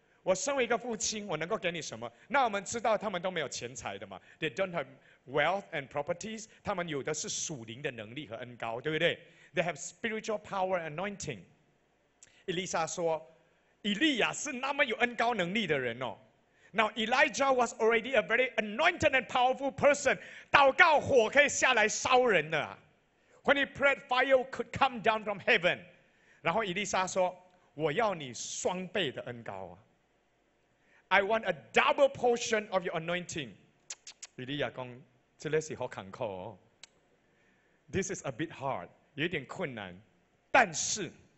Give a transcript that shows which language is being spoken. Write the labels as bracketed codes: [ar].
[zh] 我身为一个父亲，我能够给你什么？那我们知道他们都没有钱财的嘛。 [en] They don't have wealth and properties. [zh] 他们有的是属灵的能力和恩膏，对不对 [en] ？They have spiritual power and anointing. [zh] 以利沙说，以利亚是那么有恩膏能力的人哦。 [en] Now Elijah was already a very anointed and powerful person. [zh] 祷告火可以下来烧人的。 [en] When he prayed, fire could come down from heaven. [zh] 然后以利沙说。我要你双倍的恩膏啊 [en] I want a double portion of your anointing [zh] 以利亚说这个是好坎坷哦 [en] This is a bit hard [zh] 有点困难但是